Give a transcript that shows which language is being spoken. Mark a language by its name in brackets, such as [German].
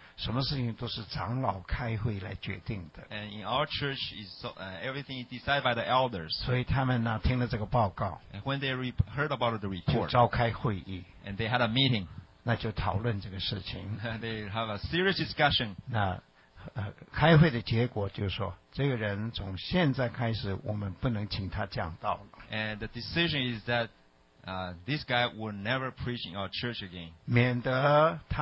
[Chinese] 什么事情都是长老开会来决定的。 [English] And in our church, everything is decided by the elders. [Chinese] 所以他们呢，听了这个报告。 [English] And when they heard about the report, [Chinese] 就召开会议。 [English] And they had a meeting. [Chinese] 那就讨论这个事情。 [English] And they have a serious discussion. [Chinese] 那开会的结果就是说，这个人从现在开始，我们不能请他讲道了。 [English] And the decision is that this guy will never preach in our church again.